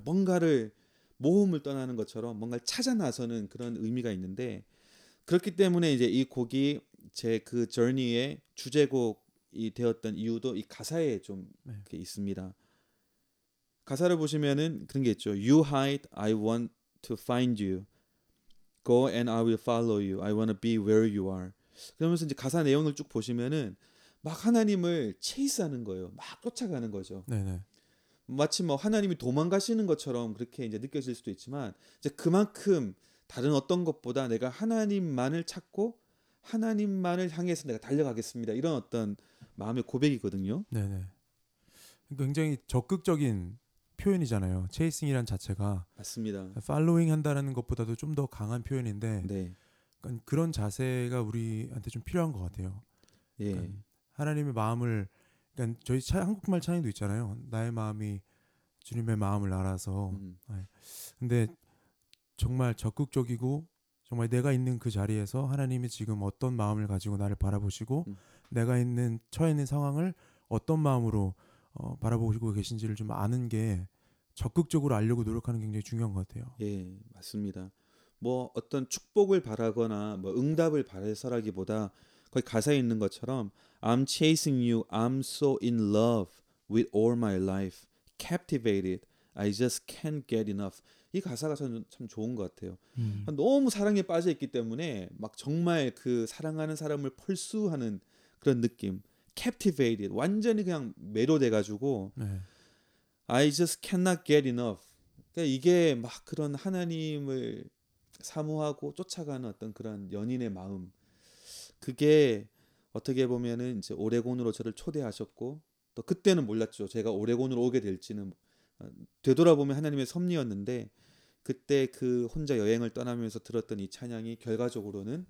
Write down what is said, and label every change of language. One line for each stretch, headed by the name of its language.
Korean: 뭔가를 모험을 떠나는 것처럼 뭔가를 찾아 나서는 그런 의미가 있는데 그렇기 때문에 이제 이 곡이 제 그 journey의 주제곡이 되었던 이유도 이 가사에 좀 네. 있습니다. 가사를 보시면은 그런 게 있죠.
English: You hide, I want to find you. Go and I will follow you. I want to be where you are.
Korean: 그러면서 이제 가사 내용을 쭉 보시면은 막 하나님을 체이스하는 거예요. 막 쫓아가는 거죠. 네네. 마치 뭐 하나님이 도망가시는 것처럼 그렇게 이제 느껴질 수도 있지만 이제 그만큼 다른 어떤 것보다 내가 하나님만을 찾고 하나님만을 향해서 내가 달려가겠습니다. 이런 어떤 마음의 고백이거든요. 네네. 굉장히 적극적인 표현이잖아요. 체이싱이란 자체가 맞습니다. 팔로잉 한다라는 것보다도 좀 더 강한 표현인데. 네. 그런 자세가 우리한테 좀 필요한 것 같아요. 예. 하나님의 마음을 그러니까 저희 한국말 찬양도 있잖아요. 나의 마음이 주님의 마음을 알아서 근데 정말 적극적이고 정말 내가 있는 그 자리에서 하나님이 지금 어떤 마음을 가지고 나를 바라보시고 내가 있는 처해 있는 상황을 어떤 마음으로 바라보시고 계신지를 좀 아는 게 적극적으로 알려고 노력하는 게 굉장히 중요한 것 같아요. 예, 맞습니다. 뭐 어떤 축복을 바라거나 뭐 응답을 바라서라기보다 거의 가사에 있는 것처럼
English: I'm chasing you, I'm so in love with all my life, captivated, I just can't get enough.
Korean: 이 가사가 저는 참 좋은 것 같아요. 너무 사랑에 빠져 있기 때문에 막 정말 그 사랑하는 사람을 펄수하는 그런 느낌, captivated, 완전히 그냥 매료돼가지고 네.
English: I just cannot get enough.
Korean: 그러니까 이게 막 그런 하나님을 사모하고 쫓아가는 어떤 그런 연인의 마음, 그게 어떻게 보면은 이제 오레곤으로 저를 초대하셨고 또 그때는 몰랐죠. 제가 오레곤으로 오게 될지는. 되돌아보면 하나님의 섭리였는데 그때 그 혼자 여행을 떠나면서 들었던 이 찬양이 결과적으로는